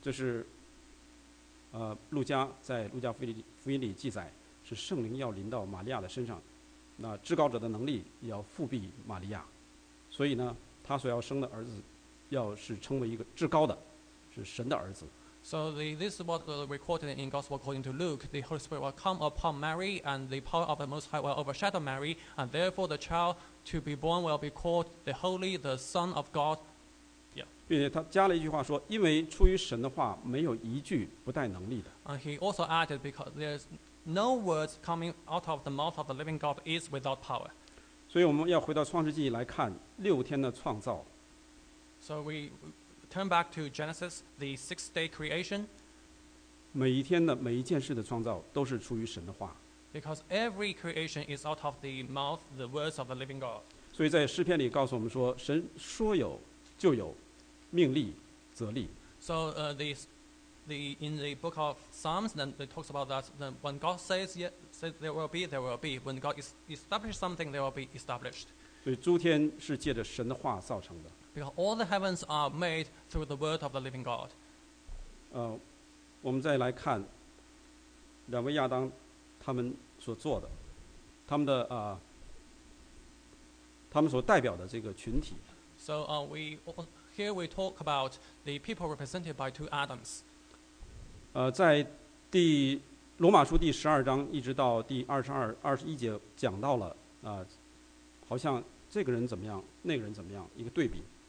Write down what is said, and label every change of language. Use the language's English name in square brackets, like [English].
[Chinese] 这是路加在路加福音里记载，是圣灵要临到玛利亚的身上，那至高者的能力要覆庇玛利亚，所以呢，他所要生的儿子要是称为一个至高的，是神的儿子。 [English] So this is what recorded in Gospel according to Luke. The Holy Spirit will come upon Mary, and the power of the Most High will overshadow Mary, and therefore the child to be born will be called the Holy, the Son of God. Yeah. [Chinese] 并且他加了一句话说，因为出于神的话没有一句不带能力的。 [English] And he also added because there's no words coming out of the mouth of the living God is without power. [Chinese] 所以我们要回到创世纪来看六天的创造。 [English] So we turn back to Genesis, the six-day creation. [Chinese] 每一天的每一件事的创造都是出于神的话。 [English] Because every creation is out of the mouth, the words of the living God. [Chinese] 所以在诗篇里告诉我们说，神说有就有，命立则立。 [English] So in the book of Psalms, then it talks about that. Then when God says, "Yet says there will be, there will be." When God establishes something, there will be established. [Chinese] 所以诸天是借着神的话造成的。 [English] Because all the heavens are made through the word of the living God. [Chinese] 我们再来看两位亚当他们所做的，他们的他们所代表的这个群体。 [English] So here we talk about the people represented by two Adams. [Chinese] 在第罗马书第十二章一直到第二十一节讲到了好像这个人怎么样，那个人怎么样，一个对比。